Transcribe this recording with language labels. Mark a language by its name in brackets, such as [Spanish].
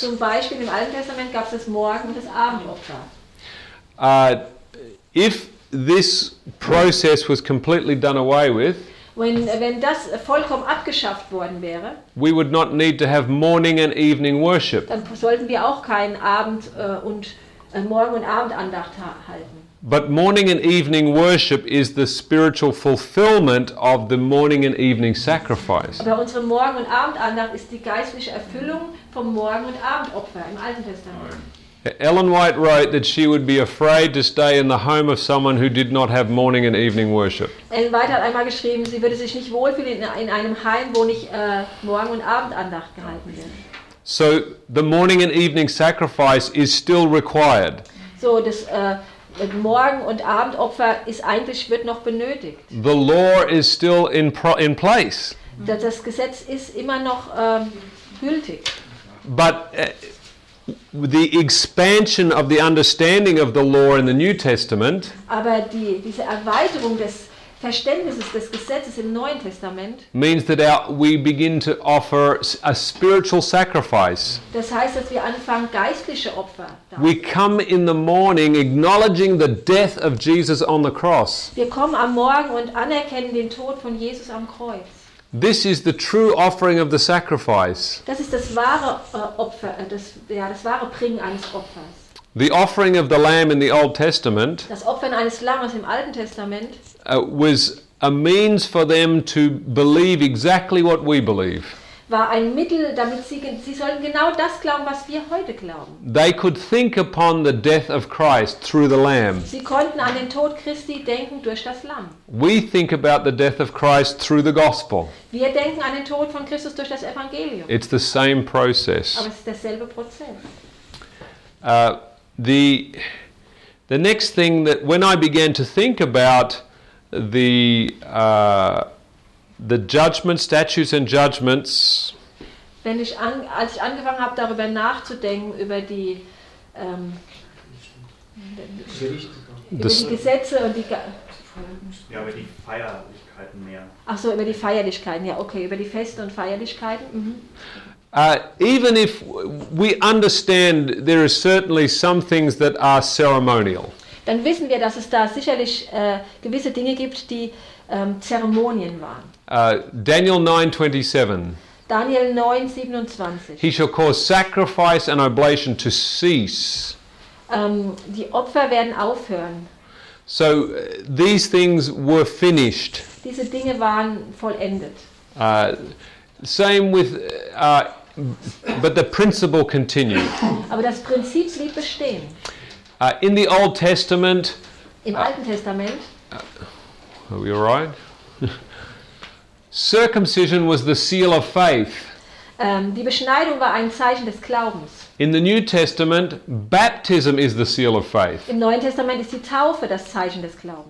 [German] Zum Beispiel im Alten Testament gab es das Morgen- und das Abendopfer. [English] If this process was completely done away with, [German] wenn das vollkommen abgeschafft worden wäre, [English] we would not need to have morning and evening worship. [German] Dann sollten wir auch keinen Abend und Morgen- und Abendandacht halten. [English] But morning and evening worship is the spiritual fulfillment of the morning and evening sacrifice. [German] Aber unsere Morgen- und Abendandacht ist die geistliche Erfüllung vom Morgen- und Abendopfer im Alten Testament. Nein. [English] Ellen White wrote that she would be afraid to stay in the home of someone who did not have morning and evening worship. [German] Ellen White hat einmal geschrieben, sie würde sich nicht wohlfühlen in einem Heim, wo nicht Morgen- und Abendandacht gehalten wird. [English] So the morning and evening sacrifice is still required. [German] So das Morgen- und Abendopfer ist eigentlich wird noch benötigt. [English] The law is still in place. [German] Das Gesetz ist immer noch gültig. [English] But the expansion of the understanding of the law in the New Testament. [German] Aber diese Erweiterung des Verständnisses des Gesetzes im Neuen Testament [English] means that we begin to offer a spiritual sacrifice. [German] Das heißt, dass wir anfangen geistliche Opfer. [English] We come in the morning acknowledging the death of Jesus on the cross. [German] Wir kommen am Morgen und anerkennen den Tod von Jesus am Kreuz. [English] This is the true offering of the sacrifice. [German] Das ist das wahre Opfer, das wahre Bringen eines Opfers. [English] The offering of the lamb in the Old Testament. [German] Das Opfern eines Lammes im Alten Testament. [English] Was a means for them to believe exactly what we believe. [German] war ein Mittel, damit sie sollen genau das glauben, was wir heute glauben. [English] They could think upon the death of Christ through the Lamb. [German] Sie konnten an den Tod Christi denken durch das Lamm. [English] We think about the death of Christ through the gospel. [German] Wir denken an den Tod von Christus durch das Evangelium. [English] It's the same process. [German] Aber es ist derselbe Prozess. [English] The next thing that when I began to think about the judgment statutes and judgments, [German] wenn ich als ich angefangen habe darüber nachzudenken über die über die Gesetze und die über die Feierlichkeiten mehr. Ach so, über die Feierlichkeiten, ja, okay, über die Feste und Feierlichkeiten. Mhm. [English] Even if we understand there are certainly some things that are ceremonial. [German] Dann wissen wir, dass es da sicherlich gewisse Dinge gibt, die Zeremonien waren. [English] Daniel 9:27. He shall cause sacrifice and oblation to cease. [German] Die Opfer werden aufhören. [English] So these things were finished. [German] Diese Dinge waren vollendet. [English] Same with but the principle continued. [German] Aber das Prinzip blieb bestehen. [English] In the Old Testament. [German] Im Alten Testament. [English] Are we all right? Circumcision was the seal of faith. [German] Die Beschneidung war ein Zeichen des Glaubens. [English] In the New Testament, baptism is the seal of faith. [German] Im Neuen Testament ist die Taufe das Zeichen des Glaubens.